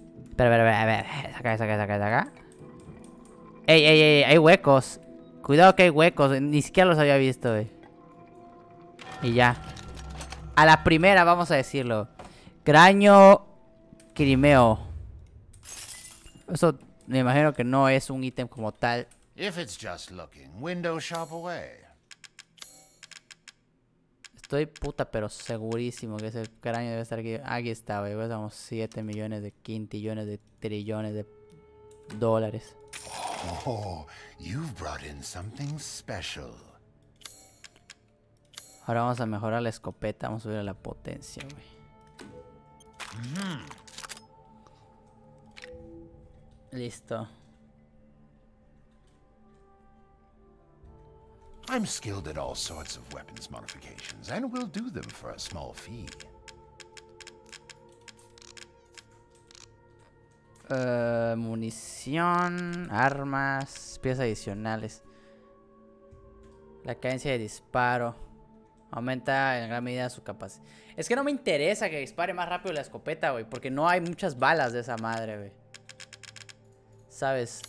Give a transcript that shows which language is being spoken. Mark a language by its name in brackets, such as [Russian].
[Spanish] Espera. Saca. Ey, hay huecos. Cuidado que hay huecos. Ni siquiera los había visto, güey. Y ya. A la primera, vamos a decirlo. Graño Crimeo. Eso me imagino que no es un ítem como tal. [English] If it's just looking, window shop away. [Spanish] Estoy puta, pero segurísimo que ese graño debe estar aquí. Aquí está, wey. Estamos 7 millones de quintillones de trillones de dólares. [English] Oh, you've brought in something special. [Spanish] Ahora vamos a mejorar la escopeta, vamos a subir a la potencia, güey. Listo. [English] I'm skilled at all sorts of weapons modifications and will do them for a small fee. [Spanish] Munición, armas, piezas adicionales. La cadencia de disparo. Aumenta en gran medida su capacidad. Es que no me interesa que dispare más rápido la escopeta, güey. Porque no hay muchas balas de esa madre, güey. ¿Sabes?